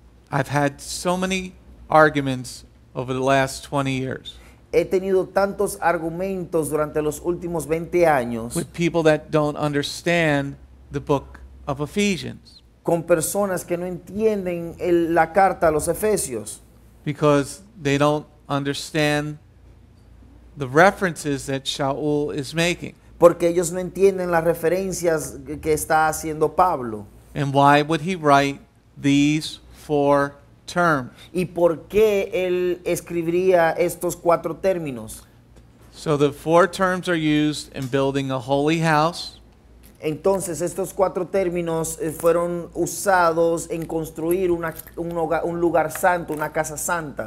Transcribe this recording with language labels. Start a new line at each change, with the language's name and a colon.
English: I've had so many arguments over the last 20 years.
Spanish: He tenido tantos argumentos durante los últimos 20 años.
English: With people that don't understand the book of Ephesians.
Spanish: Con personas que no entienden el, la carta a los Efesios.
English: Because they don't understand the references that Sha’ul is making.
Spanish: Porque ellos no entienden las referencias que está haciendo Pablo.
English: And why would he write these four terms.
Spanish: ¿Y por qué él escribiría estos cuatro términos?
English: So the four terms are used in building a holy house.
Spanish: Entonces estos cuatro términos fueron usados en construir una, un, hogar, un lugar santo, una casa santa.